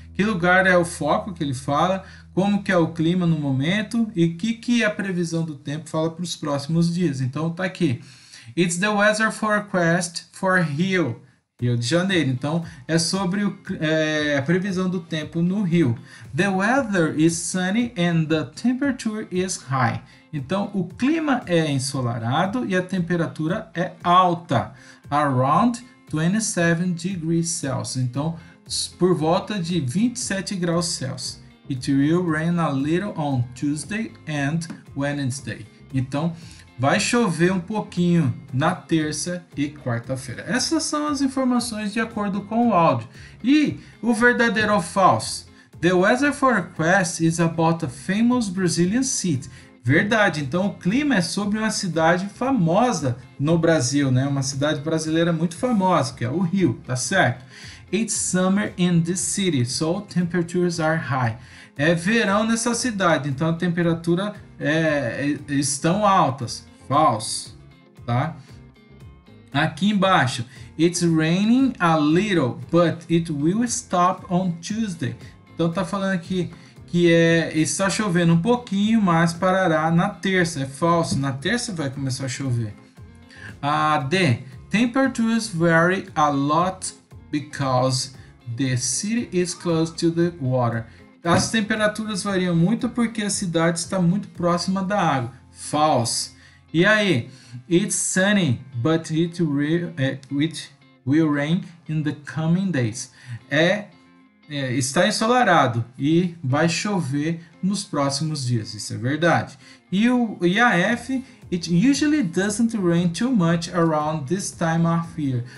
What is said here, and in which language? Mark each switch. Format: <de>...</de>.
<pt>Que lugar é o foco que ele fala? Como que é o clima no momento? E o que que a previsão do tempo fala para os próximos dias? Então tá aqui.</pt> <en>It's the weather forecast for Rio. Rio de Janeiro.</en> <pt>Então é sobre a previsão do tempo no Rio.</pt> <en>The weather is sunny and the temperature is high.</en> <pt>Então o clima é ensolarado e a temperatura é alta.</pt> <en>Around 27 degrees Celsius.</en> <pt>Então por volta de 27 graus Celsius.</pt> <en>It will rain a little on Tuesday and Wednesday.</en> <pt>Então, vai chover um pouquinho na terça e quarta-feira. Essas são as informações de acordo com o áudio. E o verdadeiro ou falso?</pt> <en>The weather forecast is about a famous Brazilian city.</en> <pt>Verdade. Então, o clima é sobre uma cidade famosa no Brasil, né? Uma cidade brasileira muito famosa, que é o Rio, tá certo?</pt> <en>It's summer in this city, so temperatures are high.</en> <pt>É verão nessa cidade, então a temperatura estão altas. Falso, tá? Aqui embaixo,</pt> <en>it's raining a little, but it will stop on Tuesday.</en> <pt>Então tá falando aqui que está chovendo um pouquinho, mas parará na terça. É falso, na terça vai começar a chover.</pt> <en>D, temperatures vary a lot because the city is close to the water.</en> <pt>As temperaturas variam muito porque a cidade está muito próxima da água.</pt> <en>False.</en> <pt>E aí?</pt> <en>It's sunny, but it will rain in the coming days.</en> <pt>Está ensolarado e vai chover nos próximos dias. Isso é verdade. E a F?</pt> <en>It usually doesn't rain too much around this time of year.</en>